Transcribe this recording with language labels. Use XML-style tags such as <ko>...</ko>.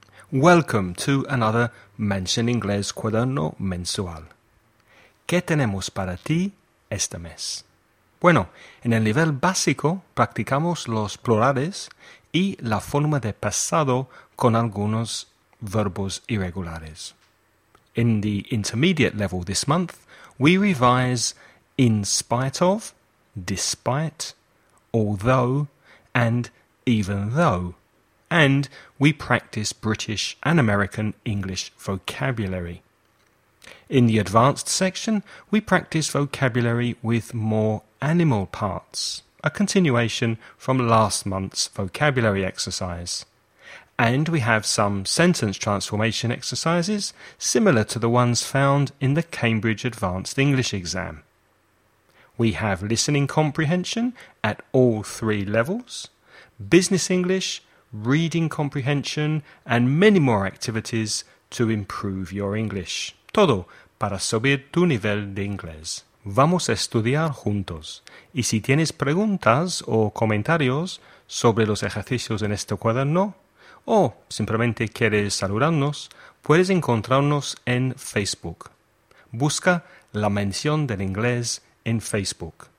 <en>Welcome to another Mensa en Inglés Cuaderno Mensual.</en> <es>¿Qué tenemos para ti este mes? Bueno, en el nivel básico practicamos los plurales y la forma de pasado con algunos verbos irregulares.</es> <en>In the intermediate level this month, we revise in spite of, despite, although, and even though. And we practice British and American English vocabulary. In the advanced section, we practice vocabulary with more animal parts, a continuation from last month's vocabulary exercise. And we have some sentence transformation exercises similar to the ones found in the Cambridge Advanced English exam. We have listening comprehension at all three levels, business English, reading comprehension, and many more activities to improve your English.</en> <es>Todo para subir tu nivel de inglés. Vamos a estudiar juntos. Y si tienes preguntas o comentarios sobre los ejercicios en este cuaderno, o simplemente quieres saludarnos, puedes encontrarnos en Facebook. Busca La Mención del Inglés en Facebook.</es>